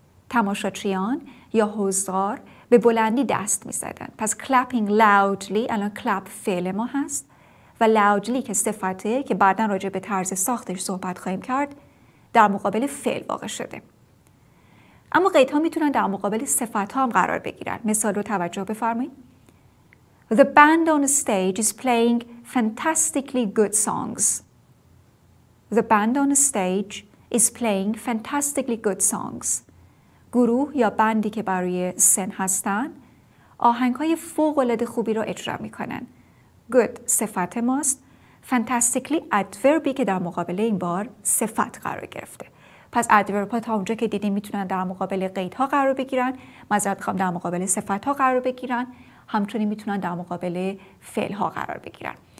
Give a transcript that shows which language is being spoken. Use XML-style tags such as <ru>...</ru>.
<fa>تماشاچیان یا حضار به بلندی دست می زدن. پس</fa> <en>clapping loudly،</en> <fa>الان clap فعل ما هست و loudly که صفته که بعداً راجع به طرز ساختش صحبت خواهیم کرد در مقابل فعل واقع شده. اما قیدها می تونن در مقابل صفت ها هم قرار بگیرن. مثال رو توجه بفرمایید.</fa> <en>The band on stage is playing fantastically good songs. The band on stage is playing fantastically good songs.</en> <fa>گروه یا بندی که برای سن هستن آهنگ‌های فوق‌العاده خوبی رو اجرا می‌کنن. Good صفت ماست. Fantastically adverbی که در مقابل این بار صفت قرار گرفته. پس ادورب‌ها تا اونجا که دیدیم میتونن در مقابل قیدها قرار بگیرن، معذرت می‌خوام در مقابل صفت‌ها قرار بگیرن، همچنین میتونن در مقابل فعل‌ها قرار بگیرن.</fa>